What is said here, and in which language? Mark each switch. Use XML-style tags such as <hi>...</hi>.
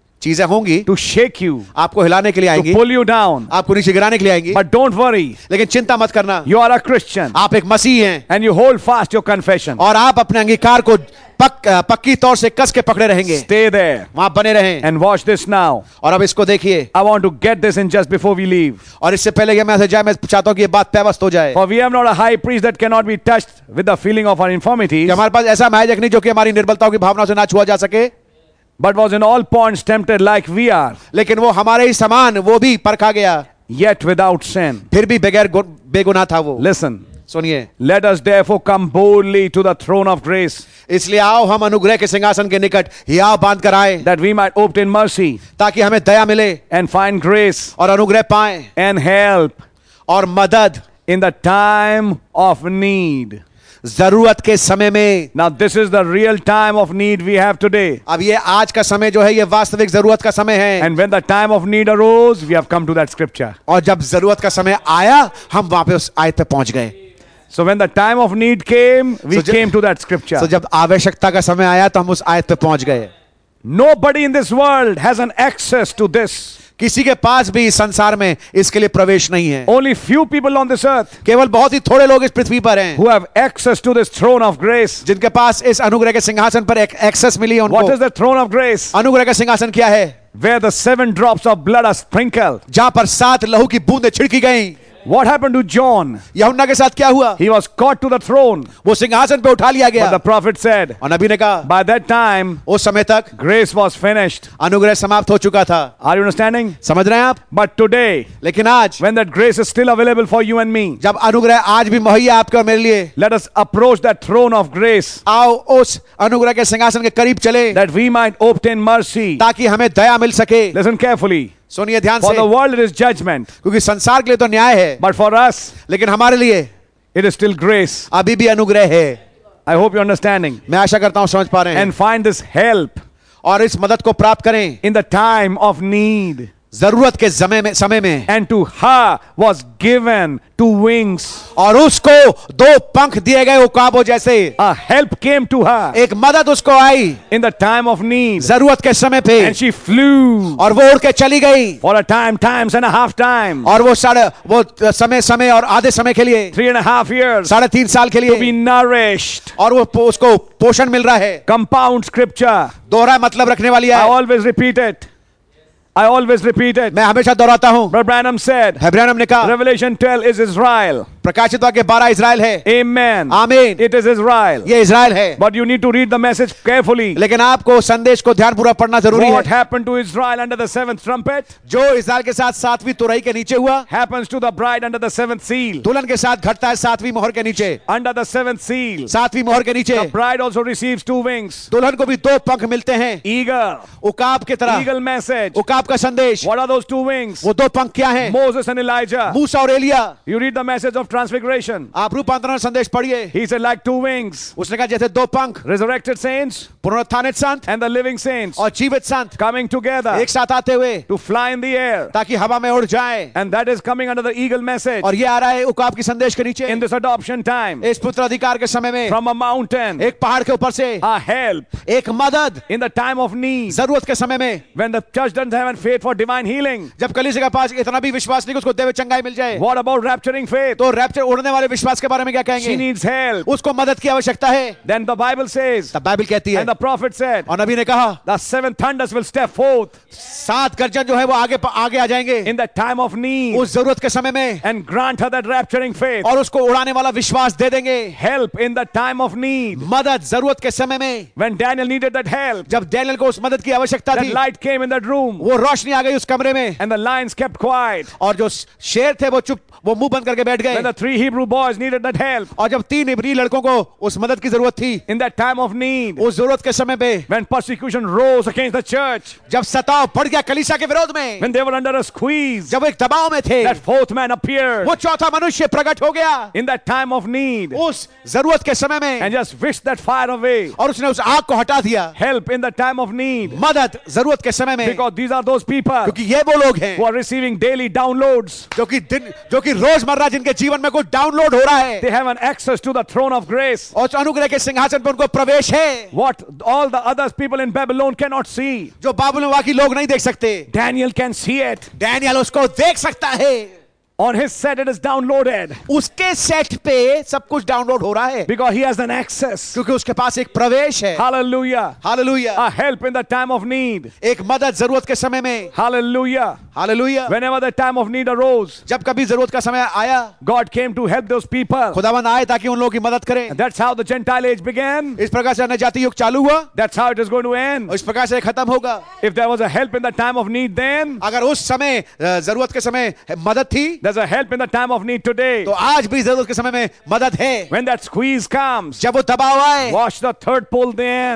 <hi>चीजें होंगी.</hi> <en>To shake you.</en> <hi>आपको हिलाने के लिए आएंगी.</hi> <en>To pull you down.</en> <hi>आपको नीचे गिराने के लिए आएंगी.</hi> <en>But don't worry.</en> <hi>लेकिन चिंता मत करना.</hi> <en>You are a Christian.</en> <hi>आप एक मसीह हैं.</hi> <en>And you hold fast your confession.</en> <hi>और आप अपने अंगीकार को पक्की तौर से कस के पकड़े रहेंगे.</hi> <en>Stay there.</en> <hi>वहां बने रहें.</hi> <en>And watch this now.</en> <hi>और अब इसको देखिए.</hi> <en>I want to get this in just before we leave.</en> <hi>और इससे पहले कि मैं से जाए, मैं चाहता हूं कि ये बात पैवस्त हो जाए.</hi> <en>For we have not a high priest that cannot be touched with the feeling of our infirmities.</en> <hi>हमारे पास ऐसा महायाजक नहीं जो कि हमारी निर्बलताओं की भावना से ना छुआ जा सके.</hi> <en>But was in all points tempted like we are.</en> <hi>लेकिन वो हमारे ही समान, वो भी परखा गया.</hi> <en>Yet without sin.</en> <hi>फिर भी बगैर बेगुनाह था वो.</hi> <en>Listen.</en> <hi>सुनिए.</hi> <en>Let us therefore come boldly to the throne of grace.</en> <hi>इसलिए आओ हम अनुग्रह के सिंहासन के निकट हियाव बांध कर आए.</hi> <en>That we might obtain mercy.</en> <hi>ताकि हमें दया मिले.</hi> <en>And find grace.</en> <hi>और अनुग्रह पाए.</hi> <en>And help.</en> <hi>और मदद.</hi> <en>In the time of need.</en> <hi>जरूरत के समय में.</hi> <en>Now this is the real time of need we have today.</en> <hi>अब ये आज का समय जो है ये वास्तविक जरूरत का समय है.</hi> <en>And when the time of need arose, we have come to that scripture.</en> <hi>और जब जरूरत का समय आया हम वापस आयत पे पहुंच गए.</hi> <en>So when the time of need came, we came to that scripture.</en> <hi>So जब आवश्यकता का समय आया तो हम उस आयत पे पहुंच गए.</hi> <en>Nobody in this world has an access to this.</en> <hi>किसी के पास भी इस संसार में इसके लिए प्रवेश नहीं है.</hi> <en>Only few people on this earth.</en> <hi>केवल बहुत ही थोड़े लोग इस पृथ्वी पर हैं.</hi> <en>Who have access to this throne of grace.</en> <hi>जिनके पास इस अनुग्रह के सिंहासन पर एक्सेस मिली है उनको.</hi> <en>What is the throne of grace?</en> <hi>अनुग्रह का सिंहासन क्या है?</hi> <en>Where the seven drops of blood are sprinkled.</en> <hi>जहां पर सात लहू की बूंदें छिड़की गईं.</hi> <en>What happened to John?</en> <hi>यहूना के साथ क्या हुआ?</hi> <en>He was caught to the throne.</en> <hi>वो सिंहासन पे उठा लिया गया.</hi> <en>But the prophet said.</en> <hi>और नबी ने कहा.</hi> <en>By that time.</en> <hi>उस समय तक.</hi> <en>Grace was finished.</en> <hi>अनुग्रह समाप्त हो चुका था.</hi> <en>Are you understanding?</en> <hi>समझ रहे हैं आप?</hi> <en>But today.</en> <hi>लेकिन आज.</hi> <en>When that grace is still available for you and me.</en> <hi>जब अनुग्रह आज भी मुहैया आपके और मेरे लिए.</hi> <en>Let us approach that throne of grace.</en> <hi>आओ उस अनुग्रह के सिंहासन के करीब चले.</hi> <en>That we might obtain mercy.</en> <hi>ताकि हमें दया मिल सके.</hi> <en>Listen carefully.</en> <hi>सुनिए ध्यान से.</hi> <en>For the world it is judgment.</en> <hi>क्योंकि संसार के लिए तो न्याय है.</hi> <en>But for us.</en> <hi>लेकिन हमारे लिए.</hi> <en>It is still grace.</en> <hi>अभी भी अनुग्रह है.</hi> <en>I hope you're understanding.</en> <hi>मैं आशा करता हूँ समझ पा रहे हैं.</hi> <en>And find this help.</en> <hi>और इस मदद को प्राप्त करें.</hi> <en>In the time of need.</en> <hi>जरूरत के समय में.</hi> <en>And to her was given two wings.</en> <hi>और उसको दो पंख दिए गए उकाबो जैसे.</hi> <en>A help came to her.</en> <hi>एक मदद उसको आई.</hi> <en>In the time of need.</en> <hi>जरूरत के समय पे.</hi> <en>And she flew.</en> <hi>और वो उड़ के चली गई.</hi> <en>For a time, times and a half time.</en> <hi>और वो समय और आधे समय के लिए.</hi> <en>Three and a half years.</en> <hi>साढ़े तीन साल के लिए.</hi> <en>To be nourished.</en> <hi>और वो उसको पोषण मिल रहा है.</hi> <en>Compound scripture.</en> <hi>दोहरा मतलब रखने वाली है.</hi> <en>I always repeat it. I always repeat it.</en> <hi>मैं हमेशा दोहराता हूँ.</hi> <en>Brother Branham said.</en> <hi>है ब्रैनम ने कहा.</hi> <en>Revelation 12 is Israel.</en> <hi>प्रकाशित वाक्य 12 इज़राइल है.</hi> <en>Amen. Amen. It is Israel.</en> <hi>ये इज़राइल है.</hi> <en>But you need to read the message carefully.</en> <hi>लेकिन आपको संदेश को ध्यान पूरा पढ़ना जरूरी है.</hi> <en>What happened to Israel under the seventh trumpet?</en> <hi>जो इज़राइल के साथ सातवीं तुरही के नीचे हुआ.</hi> <en>Happens to the bride under the seventh seal.</en> <hi>दुल्हन के साथ घटता है सातवीं मोहर के नीचे.</hi> <en>Under the seventh seal.</en> <hi>सातवीं मोहर के नीचे.</hi> <en>The bride also receives two wings.</en> <hi>दुल्हन को भी दो पंख मिलते हैं.</hi> <en>Eagle.</en> <hi>उकाब की तरह.</hi> <en>Eagle message.</en> <hi>उकाब का संदेश.</hi> <en>What are those two wings?</en> <hi>वो दो पंख क्या हैं?</hi> <en>Moses and Elijah.</en> <hi>मूसा और Elia.</hi> <en>You read the message of transfiguration.</en> <hi>आप रूपांतरण संदेश पढ़िए.</hi> <en>He said like two wings.</en> <hi>उसने कहा जैसे दो पंख.</hi> <en>Resurrected saints.</en> <hi>पुनरुत्थानित Sant.</hi> <en>And the living saints.</en> <hi>और जीवित संत.</hi> <en>Coming together.</en> <hi>एक साथ आते हुए.</hi> <en>To fly in the air.</en> <hi>ताकि हवा में उड़ जाए.</hi> <en>And that is coming under the eagle message.</en> <hi>और ये आ रहा है उकाब की संदेश के नीचे.</hi> <en>In this adoption time.</en> <hi>इस पुत्र अधिकार के समय में.</hi> <en>From a mountain.</en> <hi>एक पहाड़ के ऊपर से.</hi> <en>A help.</en> <hi>एक मदद.</hi> <en>In the time of need.</en> <hi>जरूरत के समय में.</hi> <en>When the church doesn't have faith for divine healing.</en> <hi>जब कलीसिया के पास इतना भी विश्वास नहीं कि उसको दैवीय चंगाई मिल जाए.</hi> <en>What about rapturing faith?</en> <hi>तो रैप्चर उड़ने वाले विश्वास के बारे में क्या कहेंगे?</hi> <en>She needs help.</en> <hi>उसको मदद की आवश्यकता है.</hi> <en>Then the Bible says.</en> <hi>तब बाइबल कहती है.</hi> <en>And the prophet said.</en> <hi>और नबी ने कहा.</hi> <en>The seven thunders will step forth.</en> <hi>सात गर्जन जो है वो आगे आ जाएंगे.</hi> <en>In the time of need.</en> <hi>उस जरूरत के समय में.</hi> <en>And grant her that rapturing faith.</en> <hi>और उसको उड़ाने वाला विश्वास दे देंगे.</hi> <en>Help in the time of need.</en> <hi>मदद जरूरत के समय में.</hi> <en>When Daniel needed that help.</en> <hi>जब डैनियल को उस मदद की आवश्यकता थी.</hi> <en>That light came in that room.</en> <hi>वो रोशनी आ गई उस कमरे में.</hi> <en>And the lions kept quiet.</en> <hi>और जो शेर थे वो चुप वो मुंह बंद करके बैठ गए.</hi> <en>When the three Hebrew boys needed that help.</en> <hi>और जब तीन इब्री लड़कों को उस मदद की जरूरत थी.</hi> <en>In that time of need.</en> <hi>उस जरूरत के समय पे.</hi> <en>When persecution rose against the church.</en> <hi>जब सताव पड़ गया कलीसिया के विरोध में.</hi> <en>When they were under a squeeze.</en> <hi>जब एक दबाव में थे.</hi> <en>That fourth man appeared.</en> <hi>वो चौथा मनुष्य प्रकट हो गया.</hi> <en>In that time of need.</en> <hi>उस जरूरत के समय में.</hi> <en>And just whisked that fire away.</en> <hi>और उसने उस आग को हटा दिया.</hi> <en>Help in the time of need.</en> <hi>मदद जरूरत के समय में.</hi> <en>Because these are those people.</en> <hi>क्योंकि ये वो लोग हैं.</hi> <en>Who are receiving daily downloads.</en> <hi>जो कि रोजमर्रा जिनके जीवन में कुछ डाउनलोड हो रहा है.</hi> <en>They have an access to the throne of grace.</en> <hi>और अनुग्रह के सिंहासन पर उनको प्रवेश है.</hi> <en>What all the others people in Babylon cannot see.</en> <hi>जो बाबुल में बाकी लोग नहीं देख सकते.</hi> <en>Daniel can see it.</en> <hi>Daniel उसको देख सकता है.</hi> <en>On his set it is downloaded.</en> <hi>उसके सेट पे सब कुछ डाउनलोड हो रहा है.</hi> <en>Because he has an access.</en> <hi>क्योंकि उसके पास एक प्रवेश है.</hi> <en>Hallelujah. Hallelujah. A help in the time of need.</en> <hi>एक मदद जरूरत के समय में.</hi> <en>Hallelujah. Hallelujah. Whenever the time of need arose.</en> <hi>जब कभी जरूरत का समय आया.</hi> <en>God came to help those people.</en> <hi>खुदावंद आए ताकि उन लोगों की मदद करें.</hi> <en>That's how the Gentile age began.</en> <hi>इस प्रकार से अन्य जाति युग चालू हुआ.</hi> <en>That's how it is going to end.</en> <hi>इस प्रकार से खत्म होगा.</hi> <en>If there was a help in the time of need then.</en> <hi>अगर उस समय जरूरत के समय मदद थी.</hi> <en>There's a help in the time of need today.</en> <hi>तो आज भी जरूरत के समय में मदद है.</hi> <en>When that squeeze comes.</en> <hi>जब वो दबाव आए.</hi> <en>Watch the third pole then.</en>